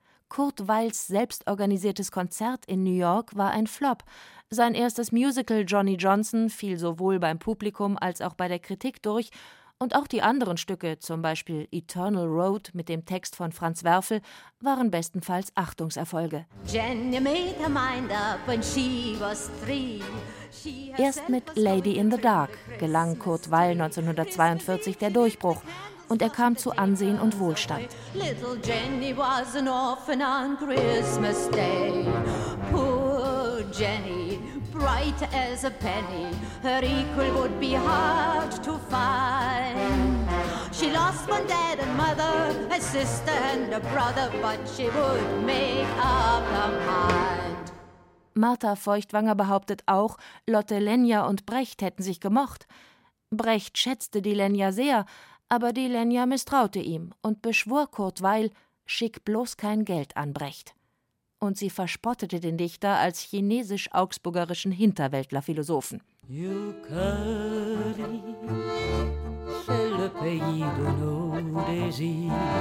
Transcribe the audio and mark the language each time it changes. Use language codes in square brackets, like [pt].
[de] Kurt Weils selbstorganisiertes Konzert in New York war ein Flop. Sein erstes Musical Johnny Johnson fiel sowohl beim Publikum als auch bei der Kritik durch und auch die anderen Stücke, zum Beispiel Eternal Road mit dem Text von Franz Werfel, waren bestenfalls Achtungserfolge. [en] Jenny made her mind up when she was three. [de] Erst mit Lady in the Dark gelang Kurt Weil 1942 der Durchbruch und er kam zu Ansehen und Wohlstand. [en] Little Jenny was an orphan on Christmas Day. Poor Jenny, bright as a penny, her equal would be hard to find. She lost one dad and mother, a sister and a brother, but she would make up her mind. [de] Martha Feuchtwanger behauptet auch, Lotte Lenya und Brecht hätten sich gemocht. Brecht schätzte die Lenya sehr, aber die Lenya misstraute ihm und beschwor Kurt Weil, schick bloß kein Geld an Brecht. Und sie verspottete den Dichter als chinesisch-augsburgerischen Hinterwäldlerphilosophen. [fr] You carry, c'est le pays de nos désirs.